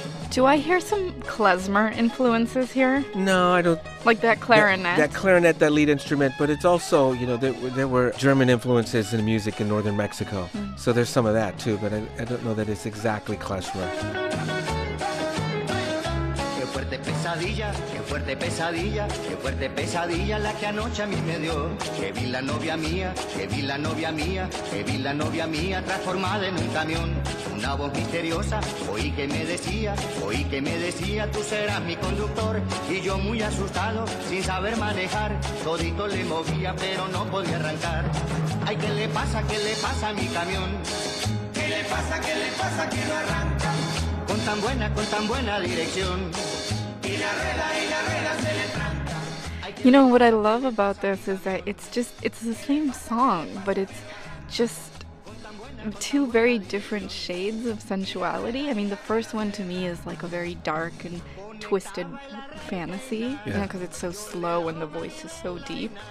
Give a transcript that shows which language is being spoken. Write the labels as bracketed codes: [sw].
[en] Do I hear some klezmer influences here? No, I don't. Like that clarinet? That clarinet, that lead instrument. But it's also, you know, there were German influences in music in northern Mexico. Mm. So there's some of that too, but I don't know that it's exactly klezmer. [es] Qué fuerte pesadilla, qué fuerte pesadilla la que anoche a mí me dio. Que vi la novia mía, que vi la novia mía, que vi la novia mía transformada en un camión. Una voz misteriosa, oí que me decía, tú serás mi conductor. Y yo muy asustado, sin saber manejar, todito le movía pero no podía arrancar. Ay, qué le pasa a mi camión? Qué le pasa que no arranca? Con tan buena dirección. [en] You know, what I love about this is that it's the same song, but it's just two very different shades of sensuality. I mean, the first one to me is like a very dark and twisted fantasy, you know, because it's so slow and the voice is so deep.